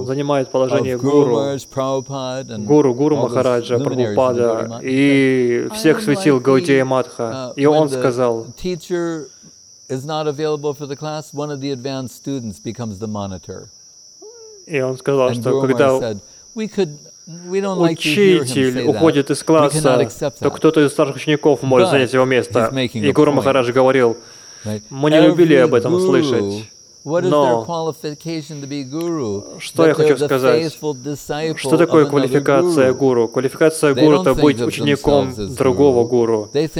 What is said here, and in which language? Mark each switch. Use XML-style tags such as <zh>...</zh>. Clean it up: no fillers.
<ru>Он занимает положение гуру Махараджа, Прабхупада и всех светил Гаудия Матха. И он сказал:</ru> <en>teacher is not available for the class, one of the advanced students becomes the monitor.</en> <ru>И он сказал, что когда учитель уходит из класса, то кто-то из старших учеников может занять его место. И Гуру Махарадж говорил: мы не любили об этом слышать. Но что я хочу сказать? Что такое квалификация гуру? Квалификация гуру — это быть учеником другого гуру.</ru>